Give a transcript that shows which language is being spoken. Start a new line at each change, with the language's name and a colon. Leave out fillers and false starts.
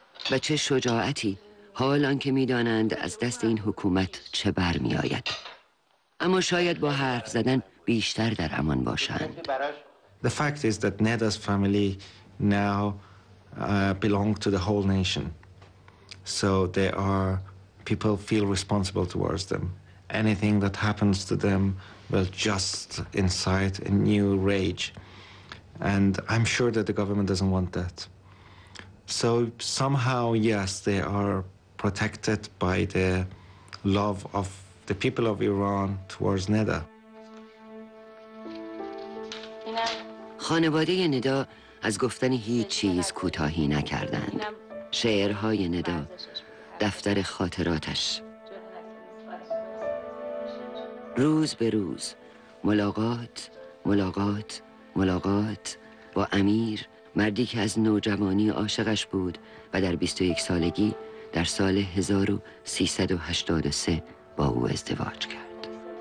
Persian: و چه شجاعتی حال آنکه می‌دانند از دست این حکومت چه برمی‌آید. اما شاید با حرف زدن بیشتر در امان باشند.
English: The fact is that Neda's family now belong to the whole nation. So they are, people feel responsible towards them. Anything that happens to them will just incite a new rage. And I'm sure that the government doesn't want that. So somehow, yes, they are protected by the love of the people of Iran towards Neda.
Persian: خانواده ندا از گفتن هیچ چیز کوتاهی نکردند. شعرهای ندا، دفتر خاطراتش. روز به روز، ملاقات، ملاقات، ملاقات با امیر، مردی که از نوجوانی عاشقش بود و در 21 سالگی در سال 1383 با او ازدواج کرد.